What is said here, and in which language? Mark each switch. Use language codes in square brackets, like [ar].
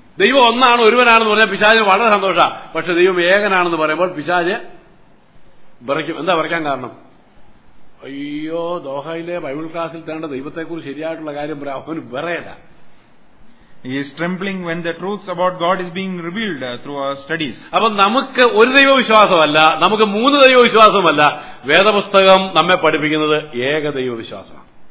[ml] ദൈവം ഒന്നാണ് ഒരുവനാണെന്ന് പറഞ്ഞാൽ പിശാചിന് വളരെ സന്തോഷമാണ്. പക്ഷെ ദൈവം ഏകനാണെന്ന് പറയുമ്പോൾ പിശാച് വിറയ്ക്കും. എന്താ വിറയ്ക്കാൻ കാരണം? അയ്യോ, ദോഹയിലെ ബൈബിൾ ക്ലാസ്സിൽ തേണ്ട ദൈവത്തെക്കുറിച്ച് ശരിയായിട്ടുള്ള കാര്യം പറയാം, അവന് വിറയല. [en] He is trembling when the truths about God is being revealed through our studies. [ml] അപ്പോൾ നമുക്ക് ഒരു ദൈവവിശ്വാസമല്ല, നമുക്ക് മൂന്ന് ദൈവവിശ്വാസമല്ല. വേദപുസ്തകം നമ്മെ പഠിപ്പിക്കുന്നത് ഏക ദൈവവിശ്വാസമാണ്.